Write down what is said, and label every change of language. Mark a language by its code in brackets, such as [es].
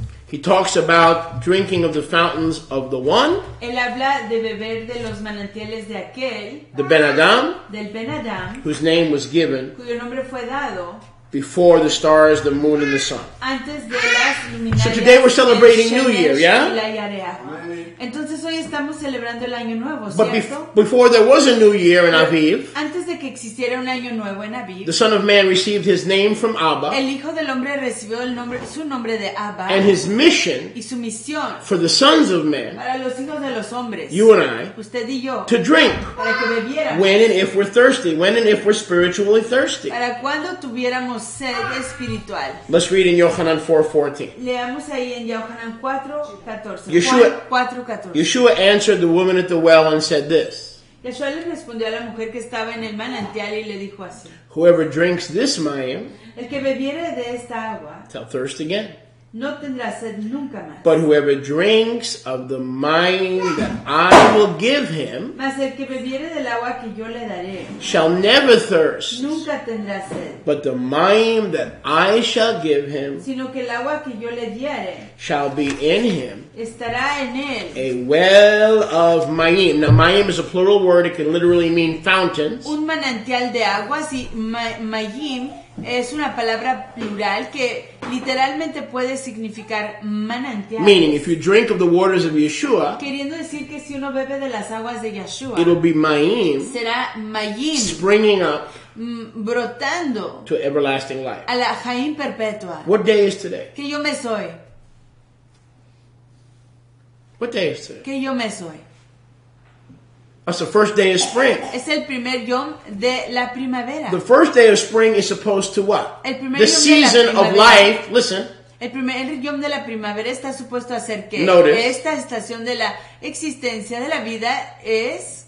[en] He talks about drinking of the fountains of the one. [es] Él habla de beber de los manantiales de aquel. [en] The Ben Adam. [es] Del Ben Adam. [en] Whose name was given. [es] Cuyo nombre fue dado. [en] Before the stars, the moon, and the sun. [es] Antes de las luminarias. [en] So today we're celebrating New Year, yeah? [es] Entonces hoy estamos celebrando el año nuevo, ¿cierto? [en] But before there was a new year in Aviv, [es] antes de que existiera un año nuevo en Aviv, [en] the Son of Man received his name from Abba. [es] El Hijo del Hombre recibió el nombre, su nombre de Abba. [en] And his mission, [es] y su misión, [en] for the sons of men, [es] para los hijos de los hombres, [en] you and I, [es] usted y yo, [en] to drink, [es] para que bebieran, [en] when and if we're thirsty, when and if we're spiritually thirsty. [es] Para cuando tuviéramos sed espiritual. [en] Let's read in Yohanan 4:14. [es] Leamos ahí en Yohanan 4:14. [en] Yeshua answered the woman at the well and said this. [es] Yeshua le respondió a la mujer que estaba en el manantial y le dijo así. [en] Whoever drinks this mayim, [es] el que bebiere de esta agua, [en] shall thirst again. [es] No tendrá sed nunca más. [en] But whoever drinks of the mayim that I will give him, [es] mas el que bebiere del agua que yo le daré, [en] shall never thirst. [es] Nunca tendrá sed. [en] But the mayim that I shall give him, [es] sino que el agua que yo le diere, [en] shall be in him. [es] Estará en él. [en] A well of mayim. Now mayim is a plural word. It can literally mean fountains. [es] Un manantial de aguas y mayim es una palabra plural que literalmente puede significar manantial. [en] Meaning, if you drink of the waters of Yeshua, [es] queriendo decir que si uno bebe de las aguas de Yeshua, [en] it'll be mayim. [es] Será mayim. [en] Springing up. [es] Brotando. [en] To everlasting life. [es] A la chaim perpetua. [en] What day is today? [es] Que yo me soy. [en] What day is today? [es] Que yo me soy. [en] That's the first day of spring. [es] Es el primer yom de la primavera. [en] The first day of spring is supposed to what? [es] El primer [en] the [he] yom [en] season [es] de la primavera. [en] Of life. Listen. [es] El primer yom de la primavera está supuesto a ser que [en] notice, [es] esta estación de la existencia de la vida es.